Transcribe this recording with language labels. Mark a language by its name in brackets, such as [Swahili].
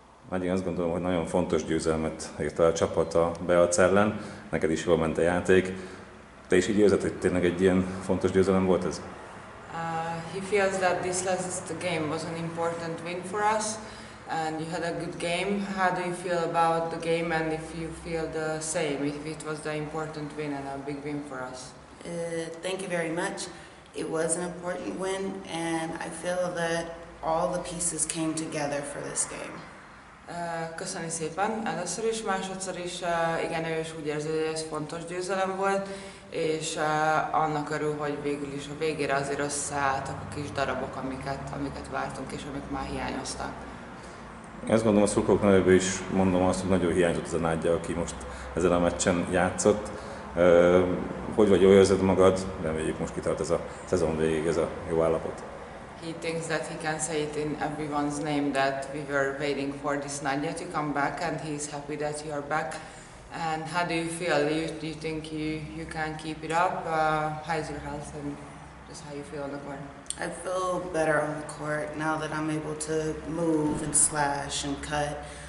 [Hungarian] Hát én azt gondolom, hogy nagyon fontos győzelmet ért el a csapat a Bajac ellen. Neked is jól ment a játék. Te is így érzed, hogy tényleg egy ilyen fontos győzelem volt ez? [English] He feels that this last game was an important win for us and you had a good game. How do you feel about the game and if you feel the same, if it was the important win and a big win for us? Thank you very much. It was an important win and I feel that all the pieces came together for this game. [Hungarian] Köszönöm szépen. Először is, másodszor is, igen, ő is úgy érzi, hogy ez fontos győzelem volt, és annak örül, hogy végül is a végére azért összeálltak a kis darabok, amiket vártunk, és amik már hiányoztak. Ezt gondolom a szurkolók nevében is mondom azt, hogy nagyon hiányzott az a Nádja, aki most ezen a meccsen játszott. Hogy vagy, jól érzed magad? Reméljük, most kitart ez a szezon végig ez a jó állapot. [English] He thinks that he can say it in everyone's name that we were waiting for this Nadia to come back and he's happy that you're back. And how do you feel? Do you think you can keep it up? How is your health and just how you feel on the court? I feel better on the court now that I'm able to move and slash and cut.